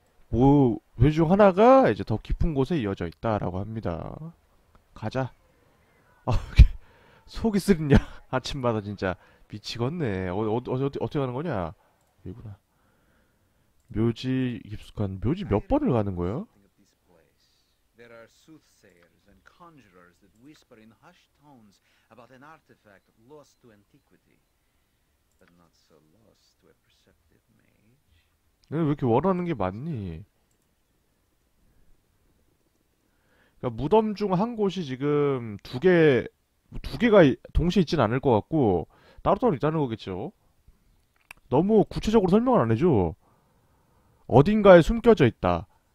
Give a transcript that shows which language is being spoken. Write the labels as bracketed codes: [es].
[ko] 뭐, 묘지 중 하나가 이제 더 깊은 곳에 이어져 있다라고 합니다. 가자. 속이 쓰리냐? 아침마다 진짜 미치겠네. 어떻게 가는 거냐? 여기구나. 묘지 깊숙한 묘지 몇 번을 가는 거야? [en] There are soothsayers and conjurers that whisper in hushed tones about an artifact lost to antiquity, but not so lost to a perceptive mage. [ko] 왜 이렇게 원하는 게 많니? 그러니까 무덤 중한 곳이 지금 두 개가 동시에 있진 않을 것 같고 따로따로 있다는 거겠죠. 너무 구체적으로 설명을 안 해줘. 어딘가에 숨겨져 있다.